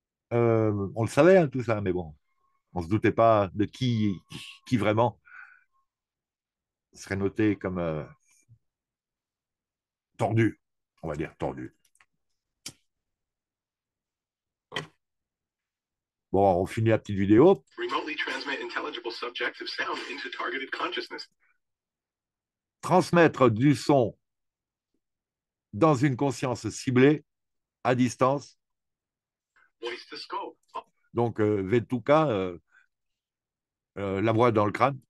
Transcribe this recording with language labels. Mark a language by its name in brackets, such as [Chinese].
[French] On le savait, hein, tout ça, mais bon, on ne se doutait pas de qui vraiment serait noté comme tordu, on va dire tordu. Bon, on finit la petite vidéo. [English] Remotely transmit intelligible subjects of sound into targeted consciousness. [French] Transmettre du son dans une conscience ciblée à distance. [English] Voice to skull. [French] Donc, Vetuka, la voix dans le crâne.